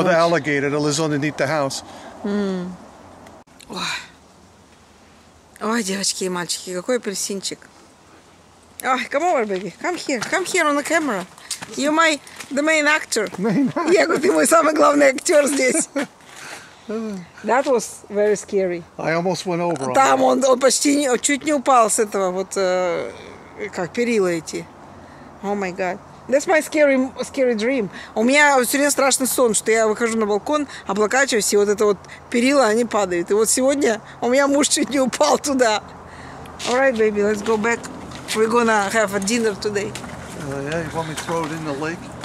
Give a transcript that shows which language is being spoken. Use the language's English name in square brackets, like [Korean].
[English] Or the alligator that lives underneath the house. [Russian] Ой. Ой, девочки и мальчики, какой апельсинчик. [English] Ой, come over, baby. Come here on the camera. You're my, the main actor. Main actor. [Russian] Я говорю, ты мой самый главный актер здесь. [English] That was very scary. I almost went over. [Russian] Там он почти не, чуть не упал с этого вот как перила эти. [English] Oh my god. That's my scary dream. [Russian] У меня все время страшный сон, что я выхожу на балкон, облокачиваюсь, и вот это вот перила, они падают. И вот сегодня у меня муж чуть не упал туда. [English] All right, baby, let's go back. We're gonna have a dinner today. Yeah, you want me to throw it in the lake?